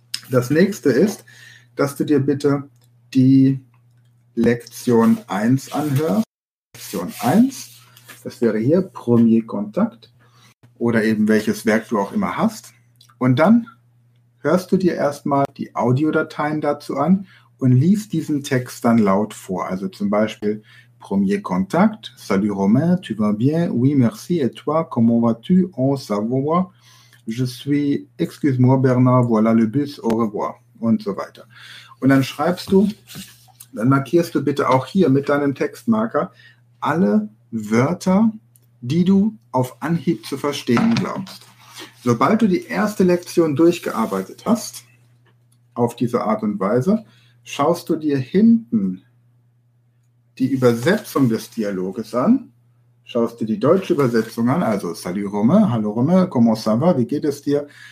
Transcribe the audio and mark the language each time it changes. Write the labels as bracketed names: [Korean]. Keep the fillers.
[German] Das nächste ist, dass du dir bitte die Lektion 1 anhörst. Lektion 1, das wäre hier Premier Kontakt oder eben welches Werk du auch immer hast. Und dann hörst du dir erstmal die Audiodateien dazu an und liest diesen Text dann laut vor. Also zum Beispiel Premier Kontakt, [French] Salut Romain, tu vas bien, oui merci, et toi, comment vas-tu, en Savoie, je suis, excuse-moi Bernard, voilà le bus, au revoir [German] und so weiter. Und dann schreibst du, dann markierst du bitte auch hier mit deinem Textmarker alle Wörter, die du auf Anhieb zu verstehen glaubst. Sobald du die erste Lektion durchgearbeitet hast, auf diese Art und Weise, schaust du dir hinten die Übersetzung des Dialoges an, schaust dir die deutsche Übersetzung an, also Salut Romain, Hallo Romain, [French] comment ça va, [German] wie geht es dir?